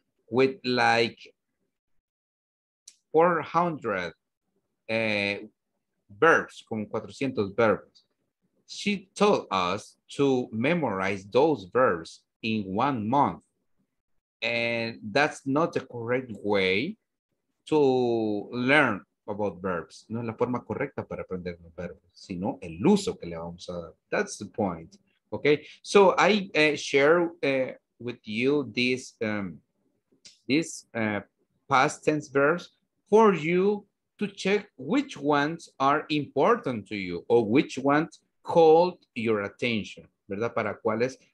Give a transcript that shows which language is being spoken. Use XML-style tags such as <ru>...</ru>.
<en>With like 400 verbs, como 400 verbs. She told us to memorize those verbs in 1 month. And that's not the correct way to learn about verbs.</en> <es>No es la forma correcta para aprender los verbos, sino el uso que le vamos a dar.</es> <en>That's the point, okay? So I share with you this, these past tense verbs for you to check which ones are important to you or which ones called your attention,</en> <es>¿verdad? Para cuáles</es>